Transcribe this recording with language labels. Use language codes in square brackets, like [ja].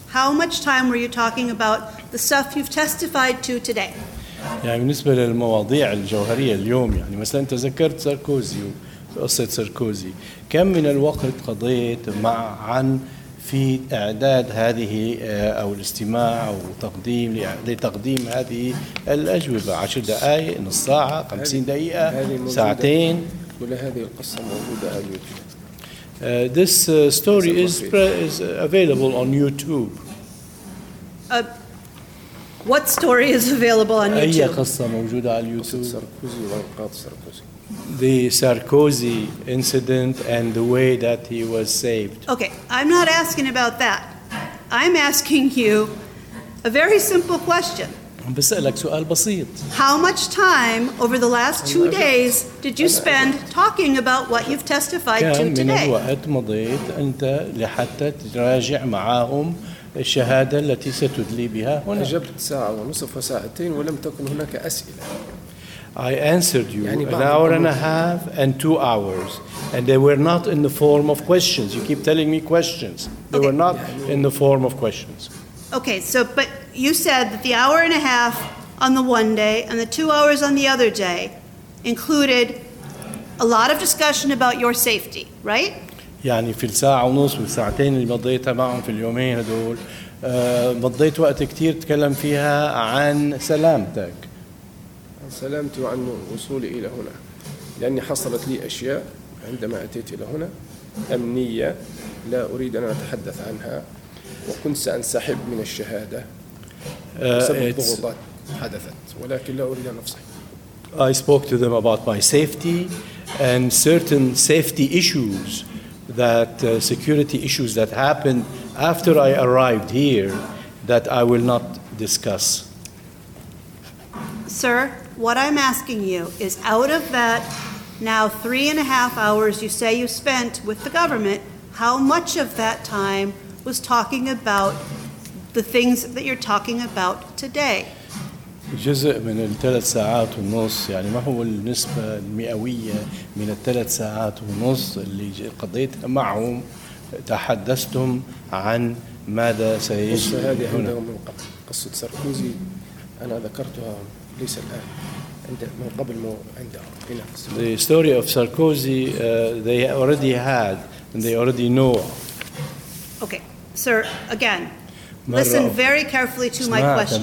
[en] How much time were you talking about the stuff you've testified to today? [ar] يعني بالنسبة للمواضيع الجوهرية اليوم يعني مثلا انت ذكرت ساركوزي قصة ساركوزي كم من الوقت قضيت مع عن في إعداد هذه أو الاستماع أو تقديم لتقديم هذه الأجوبة 10 دقائق نص ساعة 50 دقيقة ساعتين كل هذه القصة موجودة على اليوتيوب [en] This story is available on YouTube. What story is available on YouTube? [ar] أي قصة موجودة على اليوتيوب؟ ساركوزي وانقاذ ساركوزي. [en] The Sarkozy incident and the way that he was saved. Okay, I'm not asking about that. I'm asking you a very simple question. [ar] عم بسألك سؤال بسيط. [en] How much time over the last 2 days did you spend talking about what you've testified to today? [ar] كم من الوقت مضيت أنت لحتى تراجع معهم الشهادة التي ستدلي بها هنا؟ أجبت ساعة ونصف وساعتين ولم تكن هناك أسئلة. [en] I answered you an hour and a half and 2 hours, and they were not in the form of questions. You keep telling me questions. They were not in the form of questions. Okay, so, but you said that the hour and a half on the one day and the 2 hours on the other day included a lot of discussion about your safety, right? [ar] يعني في الساعة ونص والساعتين اللي مضيتها معهم في اليومين هدول مضيت وقت كتير تكلم فيها عن سلامتك سلامتي وعن وصولي إلى هنا لأني حصلت لي أشياء عندما أتيت إلى هنا أمنية لا أريد أن أتحدث عنها وكنت سأنسحب من الشهادة بسبب ضغوطات حدثت ولكن لا أريد أن أفصح [en] I spoke to them about my safety and certain safety issues that security issues that happened after I arrived here that I will not discuss. Sir, what I'm asking you is out of that now 3.5 hours you say you spent with the government, how much of that time was talking about the things that you're talking about today? [ar] جزء من الثلاث ساعات ونص يعني ما هو النسبة المئوية من الثلاث ساعات ونص اللي قضيت معهم تحدثتم عن ماذا سيجد هنا هذه عندهم من قبل قصة ساركوزي أنا ذكرتها ليس الآن عند من قبل مو عندهم هنا [en] The story of Sarkozy they already had and they already know Okay, sir, again listen very carefully to my question